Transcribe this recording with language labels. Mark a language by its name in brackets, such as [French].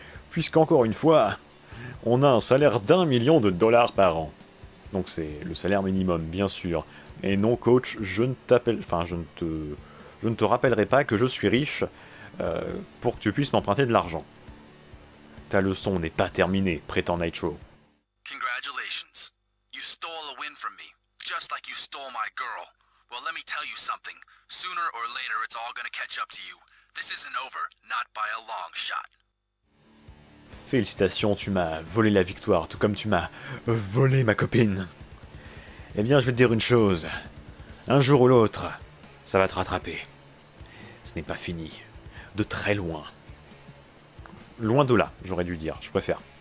[French] Puisqu'encore une fois, on a un salaire $1 million par an. Donc c'est le salaire minimum, bien sûr. Et non, coach, je ne t'appelle... Enfin, je ne te rappellerai pas que je suis riche pour que tu puisses m'emprunter de l'argent. Ta leçon n'est pas terminée, prétend Nitro. [English] Congratulations. You stole a win from me, just like you stole my girl. Well, let me tell you something. Sooner or later, it's all gonna catch up to you. This isn't over, not by a long shot. [French] Félicitations, tu m'as volé la victoire, tout comme tu m'as volé ma copine. Eh bien, je vais te dire une chose. Un jour ou l'autre, ça va te rattraper. Ce n'est pas fini. De très loin. Loin de là, j'aurais dû dire. Je préfère.